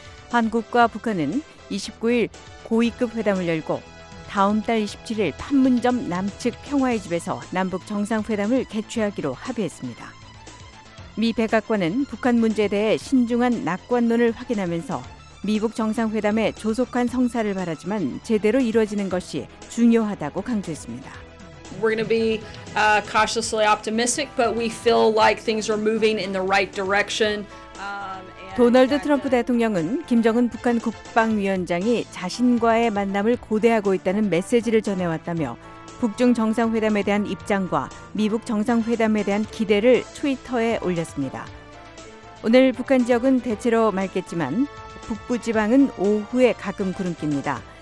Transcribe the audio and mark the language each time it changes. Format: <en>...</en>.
<ko>한국과 북한은 29일 고위급 회담을 열고 다음 달 27일 판문점 남측 평화의 집에서 남북 정상회담을 개최하기로 합의했습니다. 미 백악관은 북한 문제에 대해 신중한 낙관론을 확인하면서 미북 정상회담의 조속한 성사를 바라지만 제대로 이루어지는 것이 중요하다고 강조했습니다.</ko> <en>We're going to be cautiously optimistic, but we feel like things are moving in the right direction.</en> <ko>도널드 트럼프 대통령은 김정은 북한 국방위원장이 자신과의 만남을 고대하고 있다는 메시지를 전해왔다며 북중 정상회담에 대한 입장과 미북 정상회담에 대한 기대를 트위터에 올렸습니다. 오늘 북한 지역은 대체로 맑겠지만 북부 지방은 오후에 가끔 구름 낍니다.</ko>